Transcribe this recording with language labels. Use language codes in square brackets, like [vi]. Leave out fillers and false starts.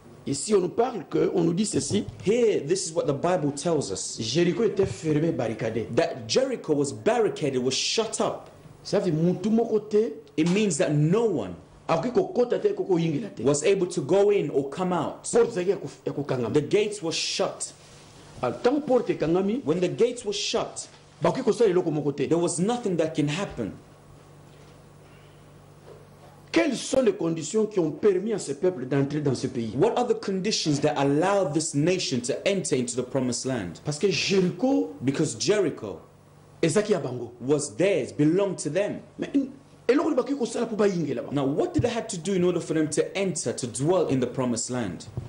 [fr] Ici, on nous parle que, on nous dit ceci. [en] Here, this is what the Bible tells us. [fr] Jéricho était fermé, barricadé. [en] That Jericho was barricaded, was shut up. [fr] Ça veut dire tout mon côté. [en] It means that no one was able to go in or come out. The gates were shut. When the gates were shut, there was nothing that can happen. [fr] Quelles sont les conditions qui ont permis à ce peuple d'entrer dans ce pays? [en] What are the conditions that allowed this nation to enter into the promised land? [fr] Parce que Jéricho, [en] because Jericho, [ln] ezaki ya bango, [en] was theirs, belonged to them. [ln] Mais eloko libaki kosala po bayinge là-bas. [en] Now, what did they have to do in order for them to enter, to dwell in the promised land?